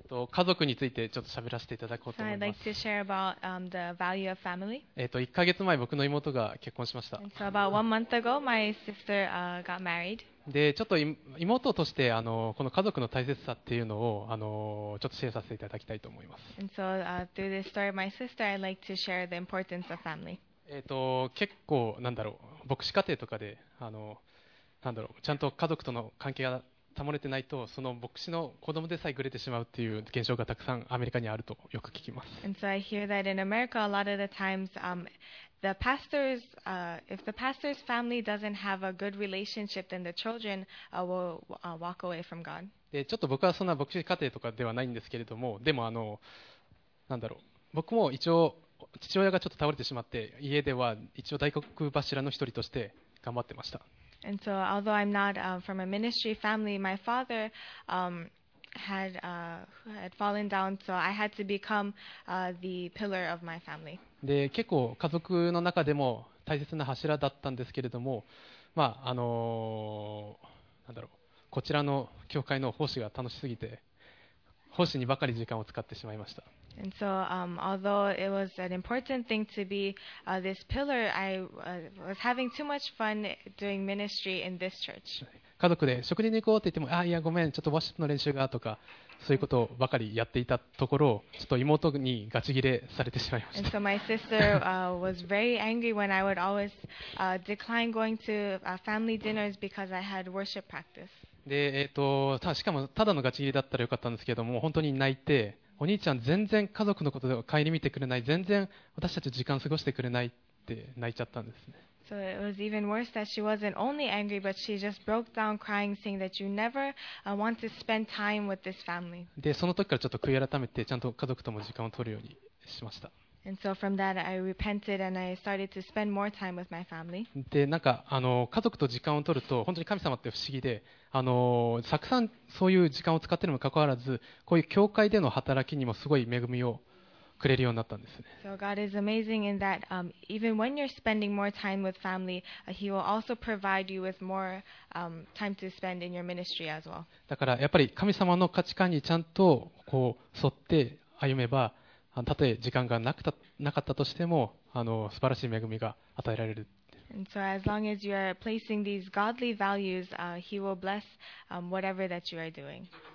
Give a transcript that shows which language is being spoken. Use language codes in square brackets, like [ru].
[ja] 家族についてちょっと喋らせていただこうと思います。 [en] So I'd like to share about, the value of family. [ja] 1ヶ月前僕の妹が結婚しました。 [en] So about one month ago, my sister, got married. [ja] でちょっと妹としてこの家族の大切さっていうのをちょっとシェアさせていただきたいと思います。 [en] And so, through this story of my sister, I'd like to share the importance of family. [ja] 結構なんだろう、牧師家庭とかでなんだろう、ちゃんと家族との関係が保れてないと、その牧師の子供でさえぐれてしまうっていう現象がたくさんアメリカにあるとよく聞きます。 [en] And so I hear that in America a lot of the times, the pastors, if the pastor's family doesn't have a good relationship, then the children, will, walk away from God. [ja] でちょっと僕はそんな牧師家庭とかではないんですけれども、でもなんだろう、僕も一応父親がちょっと倒れてしまって、家では一応大黒柱の一人として頑張ってました。 [en] And so, although I'm not, from a ministry family, my father, had, had fallen down, so I had to become, the pillar of my family. [ja] で、結構家族の中でも大切な柱だったんですけれども、まあ、なんだろう、こちらの教会の奉仕が楽しすぎて、奉仕にばかり時間を使ってしまいました。 [en] And so, although it was an important thing to be, this pillar, I, was having too much fun doing ministry in this church. [ja] 家族で食事に行こうって言っても、あ、いやごめん、ちょっとワッシュの練習がとか、そういうことばかりやっていたところ、ちょっと妹にガチ切れされてしまいました。 [en] And so my sister, was very angry when I would always, decline going to, family dinners because I had worship practice. [ja] で、しかもただのガチ切れだったらよかったんですけども、本当に泣いて、お兄ちゃん全然家族のことで帰り見てくれない、全然私たち時間過ごしてくれないって泣いちゃったんですね。 [en] So it was even worse that she wasn't only angry, but she just broke down crying, saying that you never want to spend time with this family. [ja] で、その時からちょっと悔い改めて、ちゃんと家族とも時間を取るようにしました。 [en] And so from that I repented and I started to spend more time with my family. [ja] で、なんか家族と時間を取ると本当に神様って不思議で、たくさんそういう時間を使っているにもかかわらず、こういう教会での働きにもすごい恵みをくれるようになったんですね。 [en] So God is amazing in that, even when you're spending more time with family, He will also provide you with more, time to spend in your ministry as well. [ja] だからやっぱり神様の価値観にちゃんとこう沿って歩めば、たとえ時間がなかったとしても素晴らしい恵みが与えられる。 [en] And so as long as you are placing these godly values, he will bless whatever that you are doing.